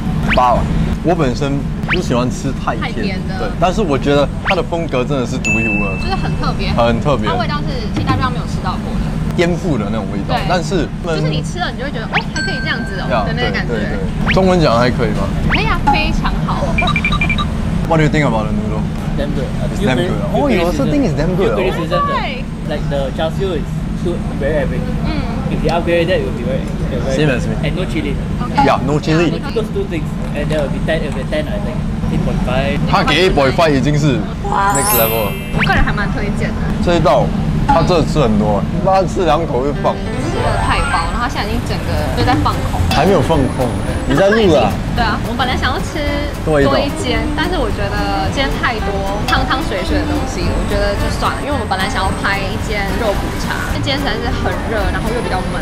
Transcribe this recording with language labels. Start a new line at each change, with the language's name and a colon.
Chinese: 8。 我本身不喜欢吃太甜的，对，但是我觉得它的风格真的是独一无二，就是很特别，很特别，它味道是其他地方没有吃到过的。颠覆的那种味道，但是就是你吃了，你就会觉得哦，还可以这样子哦，yeah, 的那个感觉。对，中文讲还可以吗？可以啊，非常好。
English: What do you think about the noodle? Damn good. It's damn good. Oh, you also think it's damn good. Your criticism, right? Like the char siu is too very average. If you upgrade that, it will be very same as me. And no chili. Okay. Yeah, no chili. Those two things, and there will be 10 out of 10, I think 8.5.
Chinese: 他给8.5已经是
English: next level
Chinese: 了。我个人还蛮推荐的。这一道他真的吃很多，他吃两口就放。你是吃的太饱，然后他现在已经整个就在放空。还没有放空，你在录了、啊？对啊，我本来想要吃多一间，但是我觉得煎太多汤汤水水的东西，我觉得就算了。因为我们本来想要拍一间肉骨茶，因为今天实在是很热，然后又比较闷。